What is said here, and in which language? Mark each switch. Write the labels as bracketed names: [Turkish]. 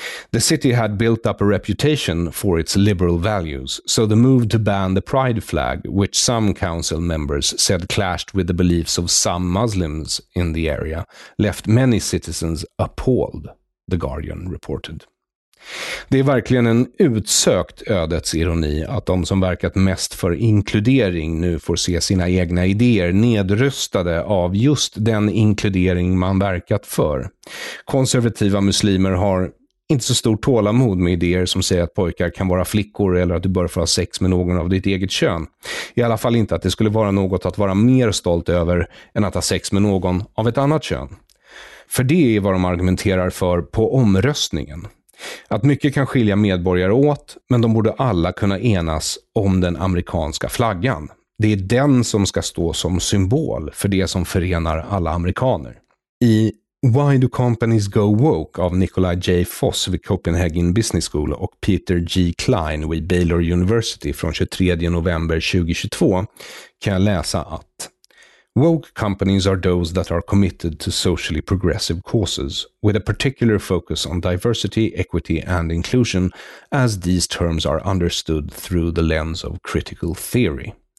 [English] The city had built up a reputation for its liberal values, so the move to ban the pride flag, which some council members said clashed with the beliefs of some Muslims in the area, left many citizens appalled, The Guardian reported. [Swedish] Det är verkligen en utsökt ödets ironi att de som verkat mest för inkludering nu får se sina egna idéer nedröstade av just den inkludering man verkat för. Konservativa muslimer har inte så stor tålamod med idéer som säger att pojkar kan vara flickor eller att du bör få ha sex med någon av ditt eget kön. I alla fall inte att det skulle vara något att vara mer stolt över än att ha sex med någon av ett annat kön. För det är vad de argumenterar för på omröstningen. Att mycket kan skilja medborgare åt, men de borde alla kunna enas om den amerikanska flaggan. Det är den som ska stå som symbol för det som förenar alla amerikaner. I Why Do Companies Go Woke av Nikolaj J. Foss vid Copenhagen Business School och Peter G. [English] Klein [Swedish] vid Baylor University från 23 november 2022 kan jag läsa att [English] woke companies are those that are committed to socially progressive causes with a particular focus on diversity, equity and inclusion as these terms are understood through the lens of critical theory.